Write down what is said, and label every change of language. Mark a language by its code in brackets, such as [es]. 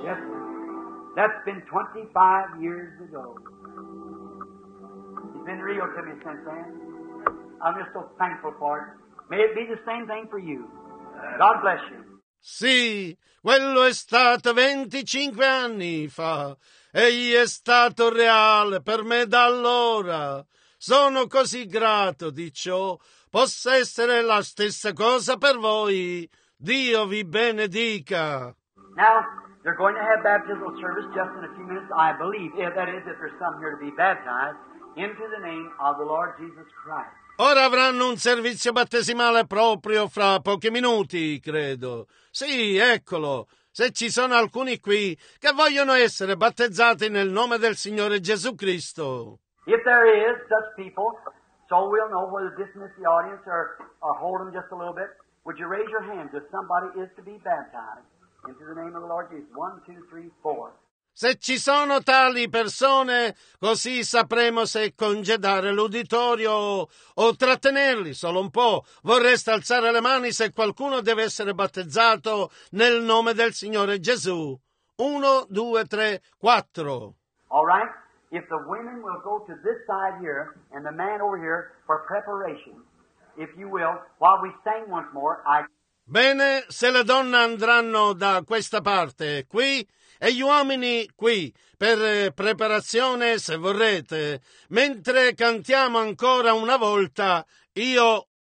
[en] Yes, that's been 25 years ago. It's been real to me since then. I'm just so thankful for it. May it be the same thing for you. God bless you. [it] Sì, quello è stato 25 anni fa. Egli è stato reale per me da allora. Sono così grato di ciò. Possa essere la stessa cosa per voi. Dio vi benedica. [en] Now, they're going to have baptismal service just in a few minutes, I believe. Yeah, that is, if there's some here to be baptized into the name of the Lord Jesus Christ. [it] Ora avranno un servizio battesimale proprio fra pochi minuti, credo. Sì, eccolo. Se ci sono alcuni qui che vogliono essere battezzati nel nome del Signore Gesù Cristo. [en] If there is such people, so we'll know whether to dismiss the audience or hold them just a little bit. Would you raise your hands if somebody is to be baptized into the name of the Lord Jesus? 1, 2, 3, 4. [it] Se ci sono tali persone, così sapremo se congedare l'uditorio o trattenerli solo un po'. Vorreste alzare le mani se qualcuno deve essere battezzato nel nome del Signore Gesù. 1, 2, 3, 4. [en] All right. If the women will go to this side here and the man over here for preparation, if you will, while we sing once more, I... [it] Bene, se le donne andranno da questa parte qui... E gli uomini qui, per preparazione, se vorrete, mentre cantiamo ancora una volta, io